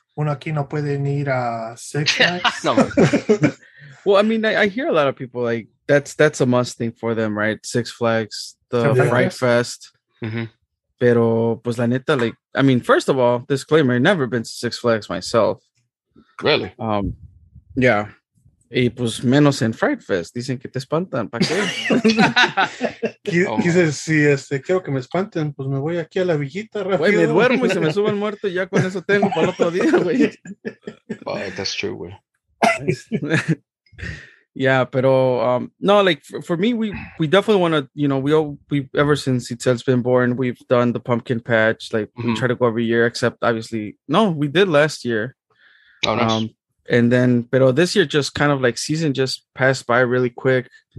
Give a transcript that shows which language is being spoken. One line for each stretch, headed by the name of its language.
Spanish: Uno aquí no puede ni ir a Six No.
English: Well, I mean, I hear a lot of people like that's a must thing for them, right? Six Flags, the Fright Fest. Mm-hmm.
Spanish: Pero, pues, la neta,
English: like, I mean, first of all, disclaimer, I've never been to Six Flags myself. Really?
Spanish: Yeah. Y, pues, menos en Fright Fest. Dicen que te espantan. ¿Para qué? Quise decir, quiero que me espanten, pues, me voy aquí a la villita rápido. Güey, me duermo y se me sube el muerto y ya con eso tengo para el otro día, güey.
English: Wow, that's true, güey. Yeah,
Spanish: pero no,
English: like for me, we definitely want to, you know, we ever since Itzel's been born, we've done the pumpkin patch. Like mm-hmm. we try to go every year, except obviously, no, we did last year. Oh, nice. And then, pero this year just kind of like season just passed by really quick.